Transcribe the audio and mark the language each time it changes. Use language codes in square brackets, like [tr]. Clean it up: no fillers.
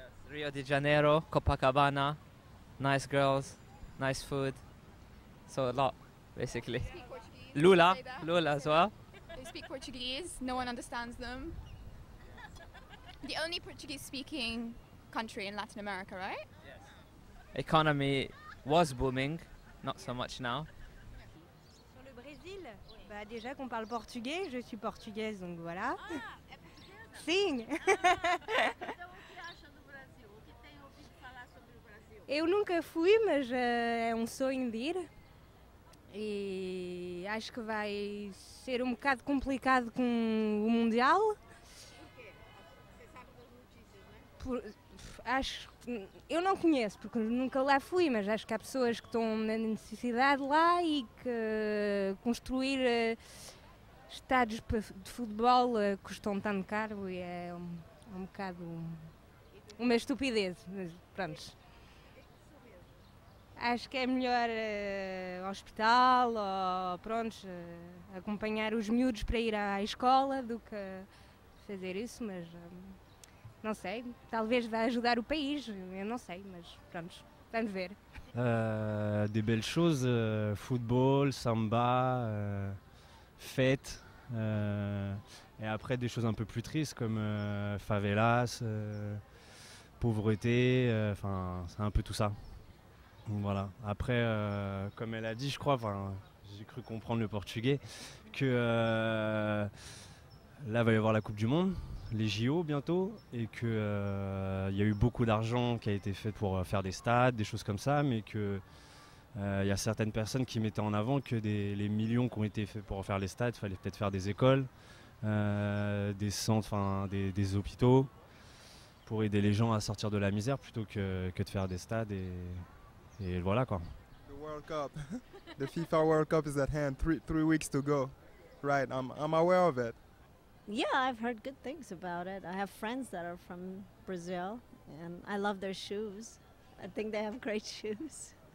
[en] Rio de Janeiro, Copacabana, nice girls, nice food, so a lot, basically. Lula as well. They speak Portuguese, no one understands them. The only Portuguese-speaking country in Latin America, right? Yes. Economy was booming, not so much now. [fr] Sur le Brésil, bah déjà qu'on parle portugais, je suis portugaise, donc voilà. [pt] Ah, é portuguesa? Sim. Então, o que acha do Brasil? O que tem ouvido falar sobre o Brasil? Eu nunca fui, mas é sonho de ir. E acho que vai ser bocado complicado com o Mundial. Por quê? Você sabe das notícias, não é? Eu não conheço, porque nunca lá fui, mas acho que há pessoas que estão na necessidade lá e que construir estádios de futebol custam tanto caro e é um bocado uma estupidez, mas pronto. Acho que é melhor hospital ou pronto, acompanhar os miúdos para ir à escola do que fazer isso, mas não sei, talvez vá ajudar o país, eu não sei, mas pronto, vamos ver. [fr] De belles choses, futebol, samba, fête, et après des choses un peu plus tristes comme favelas, pauvreté, enfin c'est un peu tout ça. Voilà. Après, comme elle a dit, je crois, enfin, j'ai cru comprendre le portugais, que là, il va y avoir la Coupe du Monde, les JO bientôt, et que il y a eu beaucoup d'argent qui a été fait pour faire des stades, des choses comme ça, mais que il y a certaines personnes qui mettaient en avant que les millions qui ont été faits pour faire les stades, il fallait peut-être faire des écoles, des centres, enfin, des hôpitaux, pour aider les gens à sortir de la misère plutôt que de faire des stades et... Et voilà quoi. [en] The World Cup, the FIFA World Cup is at hand, three weeks to go. Right, I'm aware of it. Yeah, I've heard good things about it. I have friends that are from Brazil and I love their shoes. I think they have great shoes.